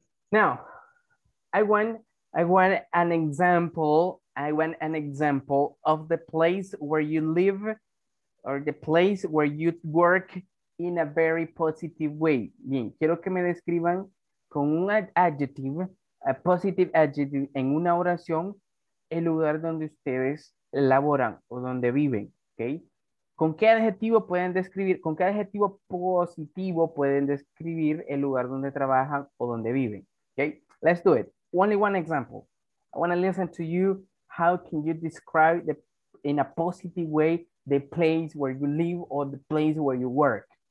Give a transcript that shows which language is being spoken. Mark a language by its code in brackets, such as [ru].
[en] Now, I want an example of the place where you live or the place where you work in a very positive way. [es] Bien, quiero que me describan con un adjective, [en] a positive adjective, [es] en una oración, el lugar donde ustedes laboran o donde viven, okay? ¿Con qué adjetivo pueden describir? ¿Con qué adjetivo positivo pueden describir el lugar donde trabajan o donde viven? [en] Okay, let's do it. Only one example. I want to listen to you. How can you describe the, in a positive way, the place where you live or the place where you work?